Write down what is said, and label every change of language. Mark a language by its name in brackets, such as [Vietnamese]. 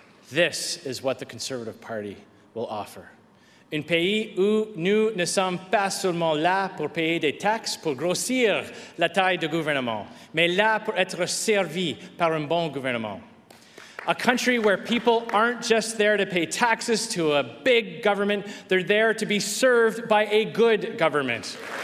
[English] This is what the Conservative Party will offer. [French] Un pays où nous ne sommes pas seulement là pour payer des taxes pour grossir la taille du gouvernement, mais là pour être servi par un bon gouvernement. [English] A country where people aren't just there to pay taxes to a big government, they're there to be served by a good government.